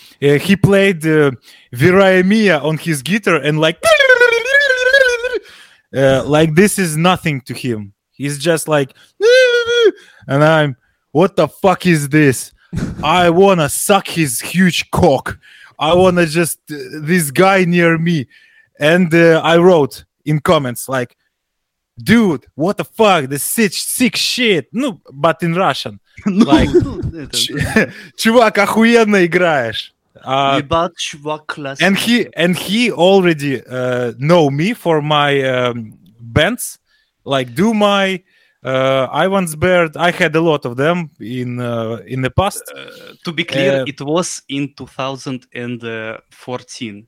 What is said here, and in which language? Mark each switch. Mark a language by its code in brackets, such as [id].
[en] He played Viraimiya on his guitar, and like this is nothing to him. He's just like, and I'm what the fuck is this? I want to suck his huge cock. I want to just this guy near me. And I wrote in comments like, dude, what the fuck? This is sick shit. No, but in Russian. [ru] Like, чувак, охуенно играешь. [en] And he already know me for my bands, like Doomai, Ivan's Bird. I had a lot of them in the past. To be clear, it was in 2014.